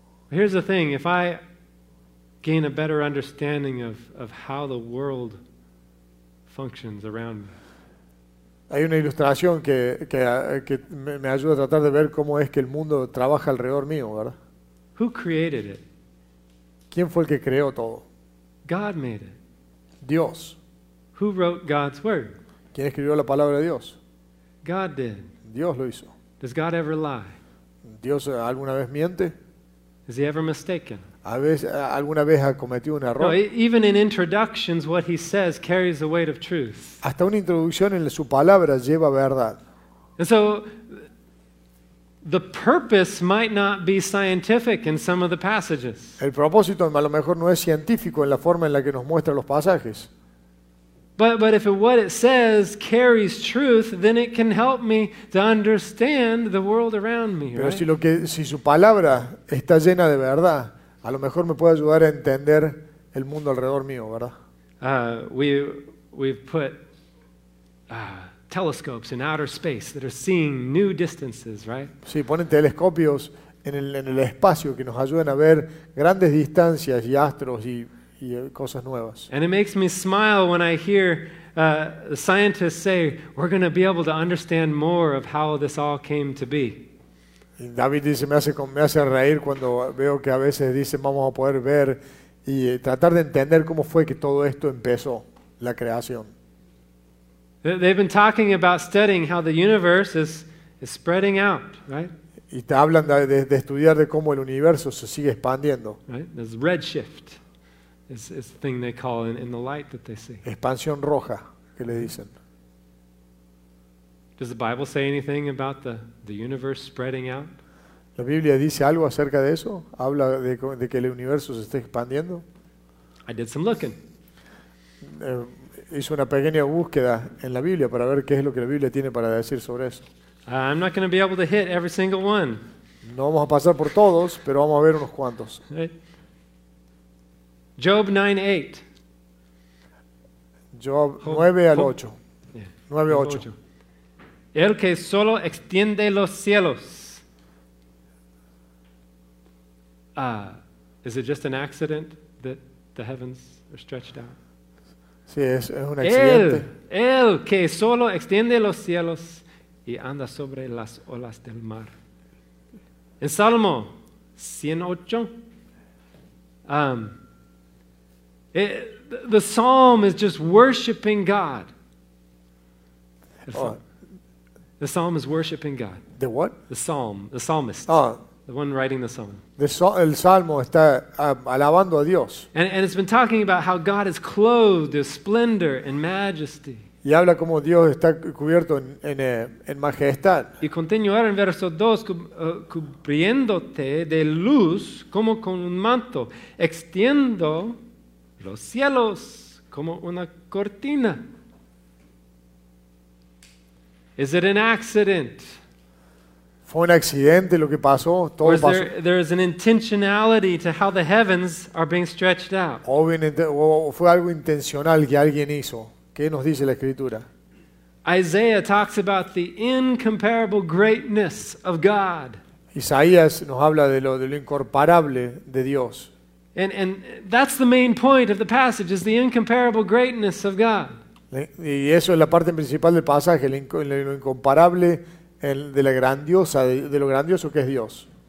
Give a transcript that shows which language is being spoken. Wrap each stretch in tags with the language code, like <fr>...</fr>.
<en>Here's the thing, if I gain a better understanding of how the world functions around me.</en> <es>Hay una ilustración que me ayuda a tratar de ver cómo es que el mundo trabaja alrededor mío, ¿verdad?</es> <en>Who created it?</en> <es>¿Quién fue el que creó todo?</es> <en>God made it.</en> <es>Dios.</es> <en>Who wrote God's word?</en> <es>¿Quién escribió la palabra de Dios?</es> <en>God did.</en> <es>Dios lo hizo.</es> <en>Does God ever lie?</en> <es>¿Dios alguna vez miente?</es> <en>Is he ever mistaken?</en> <es>¿Alguna vez ha cometido un error?</es> <en>No, even in introductions, what he says carries the weight of truth.</en> <es>Hasta una introducción en su palabra lleva verdad.</es> <en>And so, the purpose might not be scientific in some of the passages.</en> <es>El propósito a lo mejor no es científico en la forma en la que nos muestra los pasajes.</es> <en>But if what it says carries truth, then it can help me to understand the world around me.</en> <es>Pero</es> <en>right?</en> <es>si su palabra está llena de verdad, a lo mejor me puede ayudar a entender el mundo alrededor mío, ¿verdad?</es> <en>We've put telescopes in outer space that are seeing new distances, right?</en> <es>Sí, ponen telescopios en el espacio que nos ayudan a ver grandes distancias y astros y cosas nuevas.</es> <en>And it makes me smile when I hear scientists say we're going to be able to understand more of how this all came to be.</en> <es>Y David dice, me hace reír cuando veo que a veces dicen vamos a poder ver y tratar de entender cómo fue que todo esto empezó, la creación.</es> <en>They've been talking about studying how the universe is spreading out, right?</en> <es>Y te hablan de estudiar de cómo el universo se sigue expandiendo.</es> <en>Right? There's redshift. It's the thing they call in the light that they see.</en> <es>Expansión roja, que le dicen.</es> <en>Does the Bible say anything about the universe spreading out?</en> <es>¿La Biblia dice algo acerca de eso? ¿Habla de que el universo se esté expandiendo?</es> <en>I did some looking.</en> <es>Hice una pequeña búsqueda en la Biblia para ver qué es lo que la Biblia tiene para decir sobre eso.</es> <en>I'm not going to be able to hit every single one.</en> <es>No vamos a pasar por todos, pero vamos a ver unos cuantos.</es> <en>Job 9:8.</en> <es>Job 9:8. El que solo extiende los cielos.</es> <en>Is it just an accident that the heavens are stretched out?</en> <es>Sí, es un accidente. El que solo extiende los cielos y anda sobre las olas del mar. En Salmo 108.</es> <en>The psalm is just worshiping God. The psalm is worshiping God. The what? The psalm. The psalmist. The one writing the psalm.</en> <es>El salmo está alabando a Dios.</es> <en>And it's been talking about how God is clothed with splendor and majesty.</en> <es>Y habla como Dios está cubierto en majestad. Y continuar en verso 2, cubriéndote de luz como con un manto, extiendo los cielos como una cortina.</es> <en>Is it an accident?</en> <es>¿Fue un accidente lo que pasó? Todo pasó.</es> <en>There is an intentionality to how the heavens are being stretched out.</en> <es>O fue algo intencional que alguien hizo. ¿Qué nos dice la Escritura?</es> <en>Isaiah talks about the incomparable greatness of God.</en> <es>Isaías nos habla de lo incomparable de Dios. And that's the main point of the passage, is the incomparable greatness of God. Y eso es la parte principal del pasaje, lo incomparable de lo grandioso que es Dios.</es>